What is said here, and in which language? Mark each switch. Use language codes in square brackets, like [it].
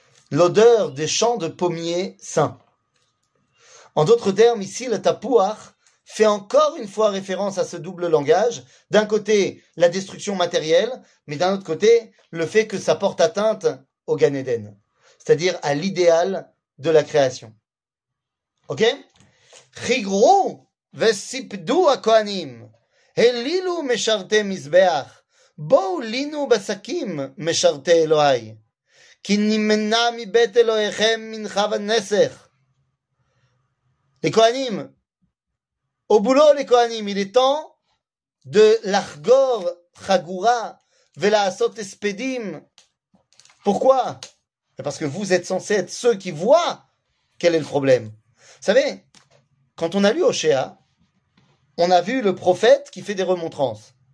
[fr] L'odeur des champs de pommiers saints. En d'autres termes, ici, le Tapuach fait encore une fois référence à ce double langage. D'un côté, la destruction matérielle, mais d'un autre côté, le fait que ça porte atteinte au Gan Eden. C'est-à-dire à l'idéal de la création. Ok? [he] חיגרו וסיפדו הכהנים, הלילו משרתי מזבח, בואו לינו בשקים, משרתי אלוהי, כי נמנע מבית אלוהיכם מנחה ונסך. [fr] לכהנים, au boulot, les Kohanim, il est temps de [he] l'argor chagoura vela asot espedim. [fr] Pourquoi? Parce que vous êtes censés être ceux qui voient quel est le problème. Vous savez, quand on a lu Hoshéa, on a vu le prophète qui fait des remontrances.